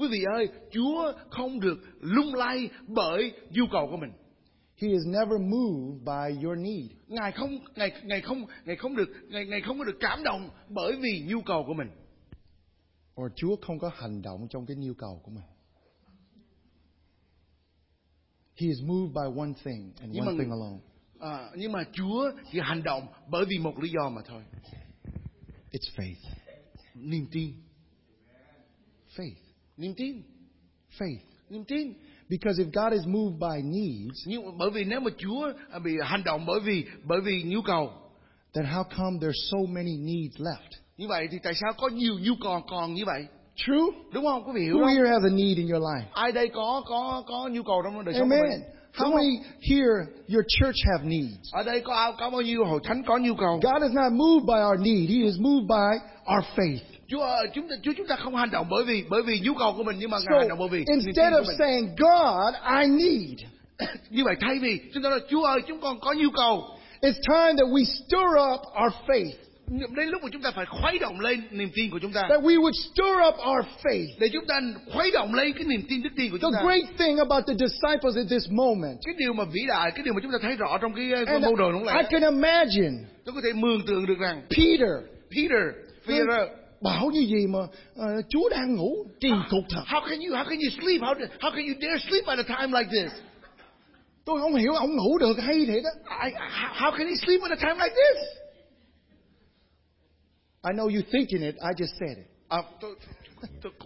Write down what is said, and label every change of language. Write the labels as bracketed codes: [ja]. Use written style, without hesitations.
[vi] Quý vị ơi, Chúa không được lung lay bởi nhu cầu của mình. [en] He is never moved by your need. [vi] Ngài không có được cảm động bởi vì nhu cầu của mình. Or Chúa không có hành động trong cái nhu cầu của mình. [en] He is moved by one thing and one thing alone. [vi] Nhưng mà Chúa chỉ hành động bởi vì một lý do mà thôi. [en] It's faith. [vi] Niềm tin. [en] Faith. [vi] Niềm tin. [en] Faith. [vi] Niềm tin. [en] Because if God is moved by needs, [vi] bởi vì nếu mà Chúa bị hành động bởi vì nhu cầu, [en] then how come there's so many needs left? [vi] Như vậy thì tại sao có nhiều nhu cầu còn như vậy? [en] True. [vi] Đúng không, quý vị? [en] Who here has a need in your life? [vi] Ai đây có nhu cầu trong đời sống của mình? [en] Amen. How many here your church have needs? [vi] Ở đây có bao nhiêu hội thánh có nhu cầu? [en] God is not moved by our need; He is moved by our faith. [vi] Chúng ta không hành động bởi vì nhu cầu của mình, nhưng mà Ngài hành động bởi vì niềm tin của mình. [en] Instead of saying, "God, I need," [vi] như vậy thay vì chúng ta nói, "Chúa ơi, chúng con có nhu cầu," [en] it's time that we stir up our faith. [vi] Đến lúc mà chúng ta phải khuấy động lên niềm tin của chúng ta. [en] That we would stir up our faith. [vi] Để chúng ta khuấy động lên cái niềm tin, đức tin của chúng ta. [en] The great thing about the disciples at this moment. [vi] Cái điều mà vĩ đại, cái điều mà chúng ta thấy rõ trong cái mô đồ lúc này. [en] I can imagine. [vi] Tôi có thể mường tượng được rằng Peter bảo như gì mà Chúa đang ngủ, kỳ cục thật. [en] How can you sleep? How can you dare sleep at a time like this? [vi] Tôi không hiểu ông ngủ được hay thế đó. [en] How can he sleep at a time like this? I know you thinking it, I just said it.